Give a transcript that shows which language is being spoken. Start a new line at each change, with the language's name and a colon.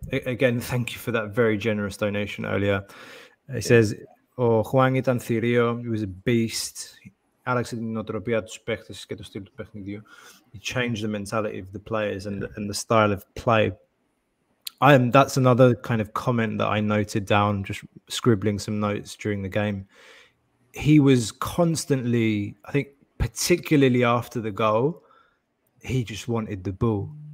English: Again, thank you for that very generous donation earlier. He says, "Oh, Hwang
Greek: ήταν θηρίο.
English: He was a beast.
Greek: Άλλαξε την νοοτροπία τους παίχτες και το στυλ του παιχνιδιού."
English: Change the mentality of the players and the style of play. That's another kind of comment that I noted down, just scribbling some notes during the game. He was constantly, I think, particularly after the goal, he just wanted the ball.